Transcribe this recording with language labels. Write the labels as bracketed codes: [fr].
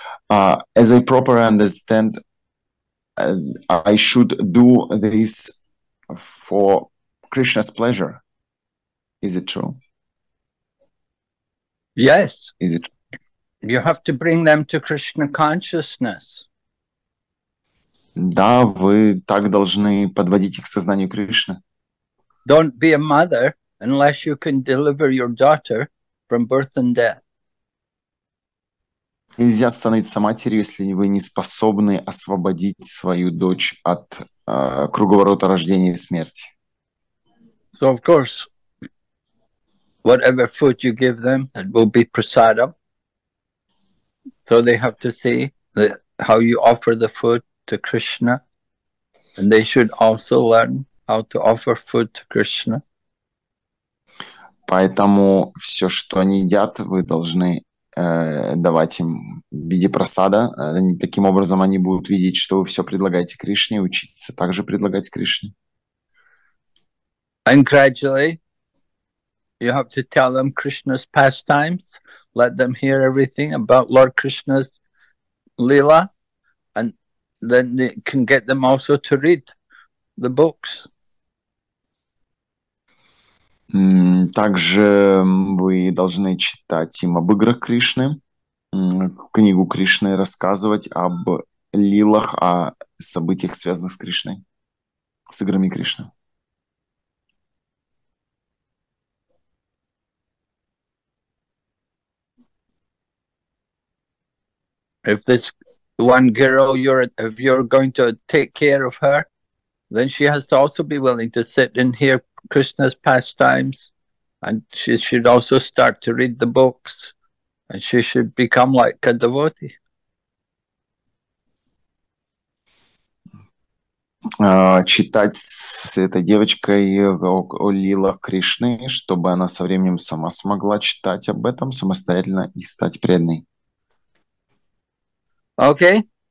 [en] As I properly understand, I should do this for Krishna's pleasure. Is it true? Yes. Is it? You have to bring them to Krishna consciousness. [ru] Да, вы так должны подводить их к сознанию Кришны. [en] Don't be a mother unless you can deliver your daughter from birth and death. [ru] Нельзя становиться матерью, если вы не способны освободить свою дочь от круговорота рождения и смерти. [en] So of course, whatever food you give them, it will be prasadam. So they have to see that how you offer the food to Krishna, and they should also learn how to offer food to Krishna. [ru] Поэтому все, что они едят, вы должны давать им в виде просада. Таким образом они будут видеть, что вы все предлагаете Кришне, и учиться также предлагать Кришне. [en] And gradually, you have to tell them Krishna's pastimes. Let them hear everything about Lord Krishna's Leela, and then they can get them also to read the books. [ru] Также вы должны читать им об играх Кришны, книгу Кришны, рассказывать об лилах, о событиях, связанных с Кришной, с играми Кришны. [en] If this one girl if you're going to take care of her, then she has to also be willing to sit and hear Krishna's pastimes, and she should also start to read the books, and she should become like a devotee. [ru] Читать с этой девочкой о лилах Кришны, чтобы она со временем сама смогла читать об этом самостоятельно и стать преданной. Окей.